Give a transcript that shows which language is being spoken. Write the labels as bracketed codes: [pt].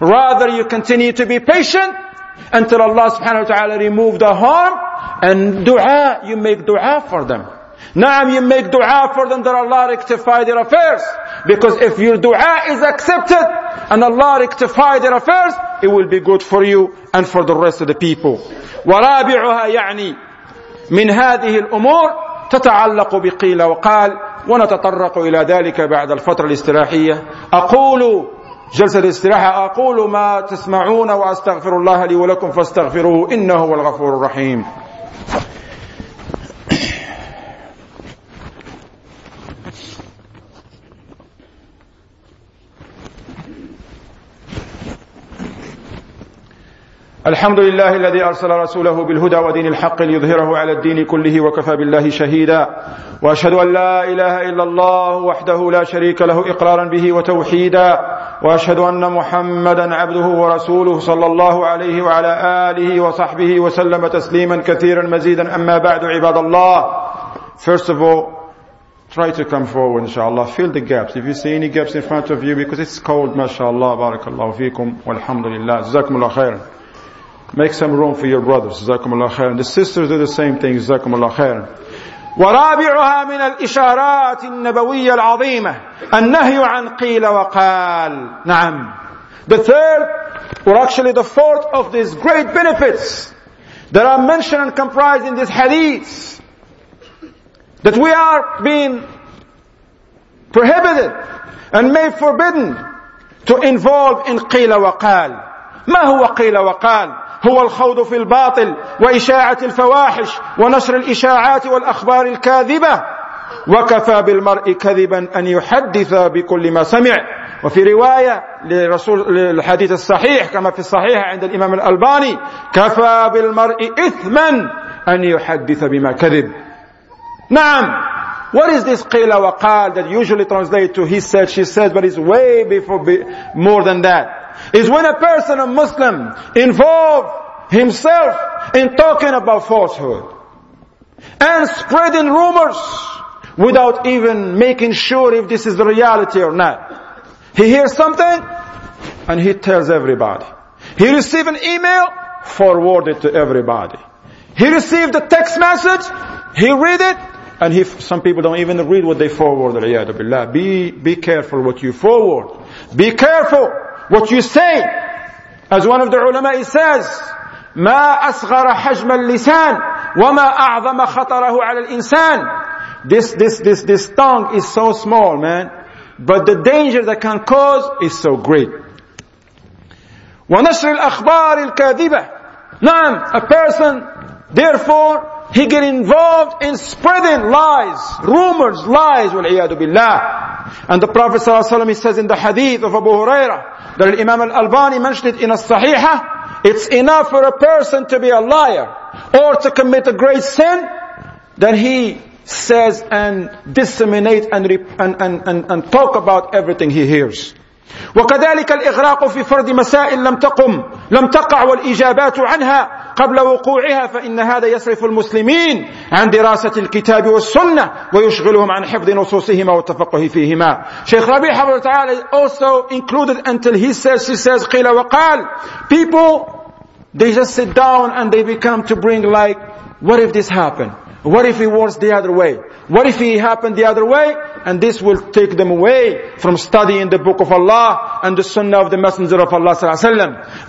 [en] Rather, you continue to be patient until Allah subhanahu wa ta'ala remove the harm. And dua, you make dua for them. Naam, you make dua for them that Allah rectify their affairs. Because if your dua is accepted and Allah rectify their affairs, it will be good for you and for the rest of the people. [ar] ورابعها يعني من هذه الأمور تتعلق بقيل وقال ونتطرق إلى ذلك بعد الفترة الاستراحية. أقول جلسة الاستراحة أقول ما تسمعون وأستغفر الله لي ولكم فاستغفروه إنه هو الغفور الرحيم. الحمد لله الذي أرسل رسوله بالهدى ودين الحق ليظهره على الدين كله وكفى بالله شهيدا. وأشهد أن لا إله إلا الله وحده لا شريك له إقرارا به وتوحيدا. وأشهد أن محمدا عبده ورسوله صلى الله عليه وعلى آله وصحبه وسلم تسليما كثيرا مزيدا. أما بعد عباد الله. [en] First of all, try to come forward inshallah. Fill the gaps. If you see any gaps in front of you because it's cold, mashallah, barakallahu fikum, walhamdulillah, jazakumullah khair. Make some room for your brothers. Jazakum Allah khair. And the sisters do the same thing. Jazakum Allah khair. [ar] ورابعها من الإشارات النبوية العظيمة النهي عن قيل وقال. نعم. [en] The third, or actually the fourth of these great benefits that are mentioned and comprised in this hadith, that we are being prohibited and made forbidden to involve in قيل وقال. [ar] ما هو قيل وقال؟ هو الخوض في الباطل وإشاعة الفواحش ونشر الإشاعات والأخبار الكاذبة وكفى بالمرء كذبا أن يحدث بكل ما سمع. وفي رواية لرسول الحديث الصحيح كما في الصحيح عند الإمام الألباني كفى بالمرء إثما أن يحدث بما كذب. نعم. [en] What is this قيل وقال that usually translates to he said, she said, but it's way before, more than that. Is when a person, a Muslim, involves himself in talking about falsehood and spreading rumors without even making sure if this is the reality or not. He hears something and he tells everybody. He receives an email, forward it to everybody. He received a text message, he read it, and he, some people don't even read what they forward. Be careful what you forward. Be careful what you say. As one of the ulama says, [ar] ما أصغر حجم اللسان وما أعظم خطره على الإنسان. [en] This tongue is so small, man, but the danger that can cause is so great. [ar] ونشر الأخبار الكاذبة. [en] نعم, a person, therefore, he get involved in spreading lies, rumors, lies, [ar] والعياذ بالله. [en] And the Prophet صلى الله عليه وسلم, he says in the hadith of Abu Huraira, that Imam al-Albani mentioned it in al-Sahihah, it's enough for a person to be a liar or to commit a great sin that he says and disseminate and talk about everything he hears. [ar] وكذلك الإغراق في فرض مسائل لم تقع والإجابات عنها قبل وقوعها فإن هذا يصرف المسلمين عن دراسة الكتاب والسنة ويشغلهم عن حفظ نصوصهما والتفقه فيهما. [en] شيخ ربيع [ar] حفظه الله تعالى [en] also included until he says, she says, قيل وقال. People, they just sit down and they become to bring like, what if this happened? What if it was the other way? What if it happened the other way? And this will take them away from studying the book of Allah and the sunnah of the Messenger of Allah sallallahu alaihi wasallam.